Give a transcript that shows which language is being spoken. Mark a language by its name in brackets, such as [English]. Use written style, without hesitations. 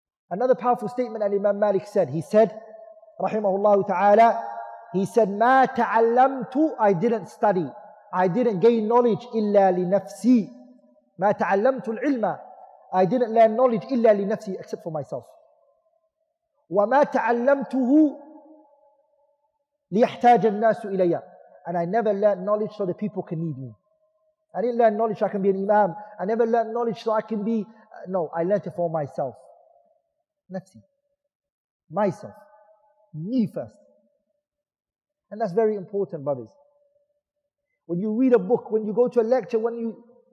[English] Another powerful statement that Imam Malik said, he said, [Arabic] رحمه الله تعالى, [English] he said, [Arabic] ما تعلمت, [English] I didn't study. I didn't gain knowledge [Arabic] إلا لنفسي. ما تعلمت العلم, [English] I didn't learn knowledge إلا لنفسي, except for myself. [Arabic] وما تعلمته لِيَحْتَاجَ النَّاسُ إِلَيَّ. [English] And I never learned knowledge so the people can need me. I didn't learn knowledge so I can be an imam. I never learned knowledge so I can be... No, I learned it for myself. Nafsi. Myself. Me first. And that's very important, brothers. When you read a book, when you go to a lecture, when you...